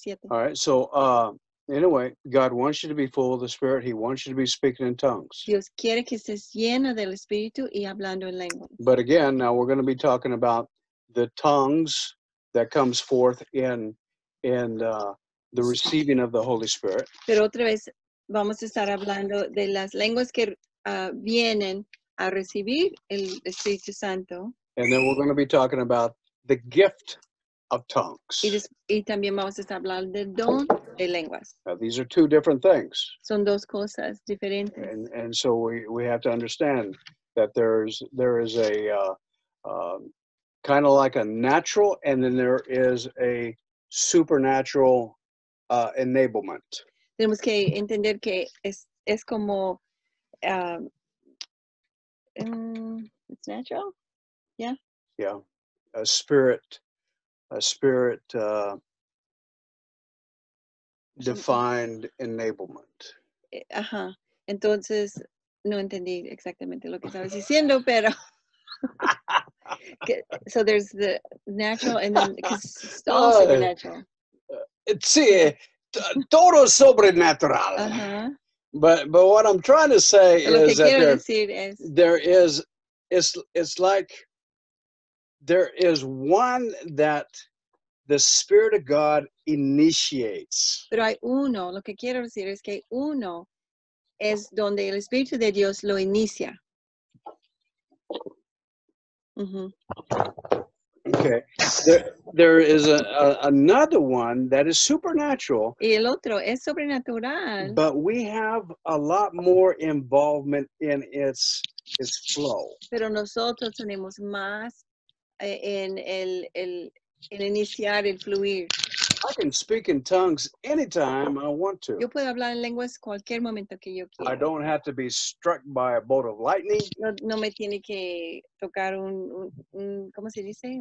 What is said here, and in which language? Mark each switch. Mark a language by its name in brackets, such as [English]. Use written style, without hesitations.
[English] All right, so anyway, God wants you to be full of the Spirit. He wants you to be speaking in tongues. [Spanish] Dios quiere que estés lleno del Espíritu y hablando en lengua. [English] But again, now we're going to be talking about the tongues that comes forth in the receiving of the Holy Spirit. [Spanish] Pero otra vez vamos a estar hablando de las lenguas que vienen a recibir el Espíritu Santo. [English] And then we're going to be talking about the gift of tongues. [Spanish] Y también vamos a estar hablando del don de lenguas. [English] Now, these are two different things. [Spanish] Son dos cosas diferentes. [English] And so we have to understand that there is a kind of like a natural, and then there is a supernatural enablement. [Spanish] Tenemos que entender que es como [English] it's natural. Yeah. Yeah. A spirit defined enablement. Ajá. [Spanish] Entonces, no entendí exactamente lo que estabas diciendo, pero. [English] So there's the natural and then it's all supernatural. [Spanish] Sí, todo sobrenatural. Uh-huh. [English] But what I'm trying to say is that there is one that the Spirit of God initiates. [Spanish] Pero hay uno. Lo que quiero decir es que uno es donde el Espíritu de Dios lo inicia. Mm-hmm. [English] Okay. There is another one that is supernatural. [Spanish] Y el otro es sobrenatural. [English] But we have a lot more involvement in its flow. [Spanish] Pero nosotros tenemos más en el iniciar el fluir. [English] I can speak in tongues anytime I want to. [Spanish] Yo puedo hablar en lenguas cualquier momento que yo quiera. [English] I don't have to be struck by a bolt of lightning. [Spanish] No me tiene que tocar un ¿cómo se dice?